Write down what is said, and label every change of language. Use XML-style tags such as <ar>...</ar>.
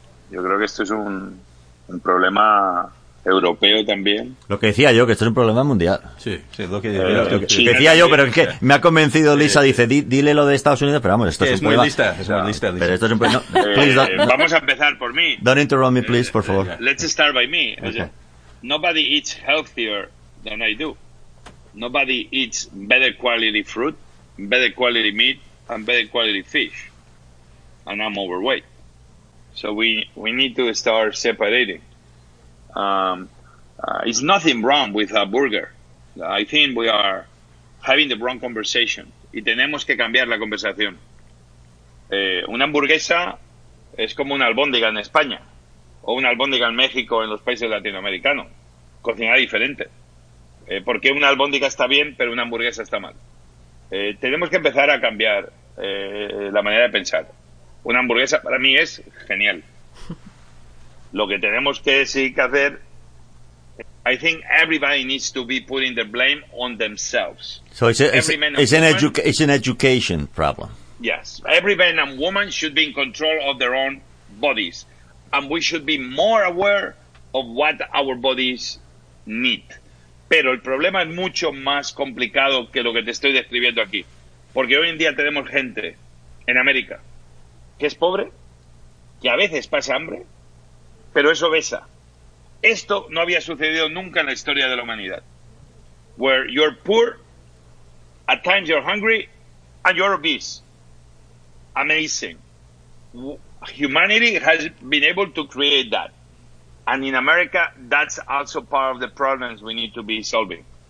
<es>Yo creo que esto es un problema europeo también. Lo que decía yo, que esto es un problema mundial. Sí, lo que decía, yo, pero es que me ha convencido Lisa, dice, dile lo de Estados Unidos, pero vamos, esto es un problema. Es muy lista. Pero esto es un problema. Vamos a empezar por mí.</es> <en>Don't interrupt me, please,</en> <es>por favor.</es> <en>Let's start by me. Okay.</en> <es>O sea,</es> <en>nobody eats healthier than I do. Nobody eats better quality fruit, better quality meat, and better quality fish. And I'm overweight. So we need to start separating. It's nothing wrong with a burger. I think we are having the wrong conversation.</en> <es>Y tenemos que cambiar la conversación. Una hamburguesa es como una albóndiga en España, o una albóndiga en México, en los países latinoamericanos. Cocinar diferente. Porque una albóndiga está bien, pero una hamburguesa está mal. Tenemos que empezar a cambiar la manera de pensar. Una hamburguesa para mí es genial. Lo que tenemos que hacer,</es> <en>I think everybody needs to be putting the blame on themselves. So it's an education problem. Yes, every man and woman should be in control of their own bodies, and we should be more aware of what our bodies need.</en> <es>Pero el problema es mucho más complicado que lo que te estoy describiendo aquí, porque hoy en día tenemos gente en América que es pobre, que a veces pasa hambre, pero es obesa. Esto no había sucedido nunca en la historia de la humanidad.</es> <en>Where you're poor, at times you're hungry, and you're obese. Amazing. Humanity has been able to create that. And in America, that's also part of the problems we need to be solving.</en>